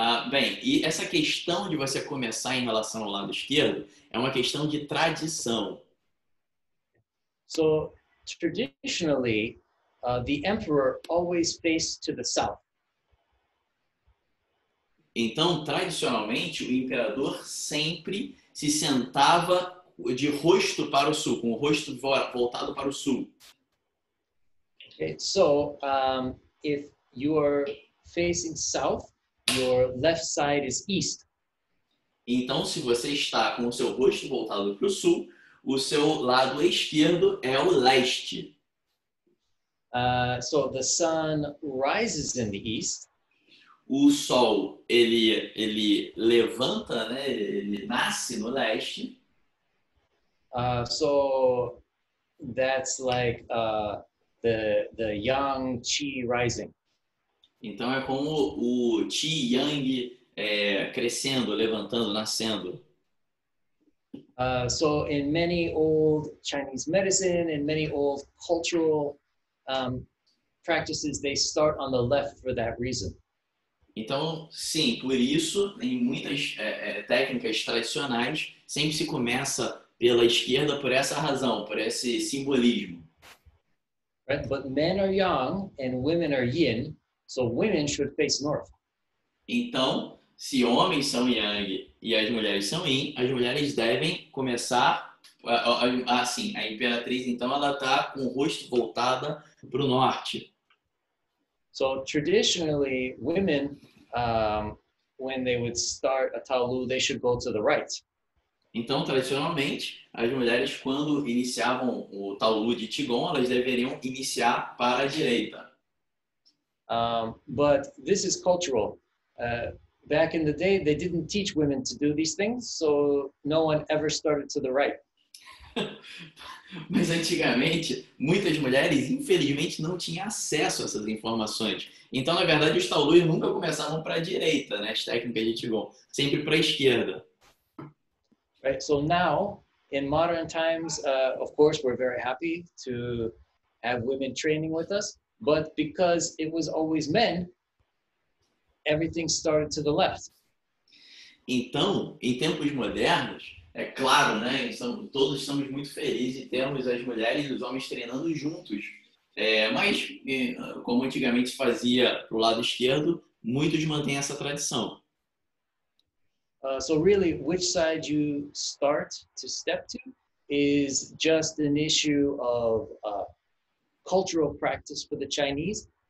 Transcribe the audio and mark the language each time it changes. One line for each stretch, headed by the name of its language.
Portuguese: Bem, e essa questão de você começar em relação ao lado esquerdo é uma questão de tradição.
English: So traditionally, the emperor always faced to the south.
Portuguese: Então, tradicionalmente, o imperador sempre se sentava de rosto para o sul, com o rosto voltado para o sul.
English: Okay, so if you are facing south, your left side is east.
Portuguese: Então, se você está com o seu rosto voltado para o sul, o seu lado esquerdo é o leste.
English: So the sun rises in the east.
Portuguese: O sol ele levanta, né? Ele nasce no leste.
English: So that's like the yang qi rising.
Portuguese: Então é como o qi yang crescendo, levantando, nascendo.
English: So in many old Chinese medicine and many old cultural practices, they start on the left for that reason.
Portuguese: Então, sim, por isso, em muitas técnicas tradicionais, sempre se começa pela esquerda por essa razão, por esse simbolismo.
English: Right, but men are yang and women are yin, so women should face north.
Portuguese: Então, se homens são yang e as mulheres são yin, as mulheres devem começar assim, a imperatriz, então, ela está com o rosto voltada para o norte.
English: So traditionally, women, when they would start a Taolu, they should go to the right.
Portuguese: Então, tradicionalmente, as mulheres, quando iniciavam o Taolu de Qigong, elas deveriam iniciar para a direita.
English: But this is cultural. Back in the day, they didn't teach women to do these things, so no one ever started to the right.
Portuguese: Mas antigamente, muitas mulheres, infelizmente, não tinham acesso a essas informações. Então, na verdade, os taolus nunca começavam para a direita, né? As técnicas de Qigong, sempre para a esquerda.
English: Right, so now, in modern times, of course, we're very happy to have women training with us, but because it was always men, everything started to the left.
Portuguese: Então, em tempos modernos, é claro, né? Todos estamos muito felizes e temos as mulheres e os homens treinando juntos. Mas, como antigamente se fazia para o lado esquerdo, muitos mantêm essa tradição.
English: So, really, which side you start to step to is just an issue of cultural practice for the Chinese.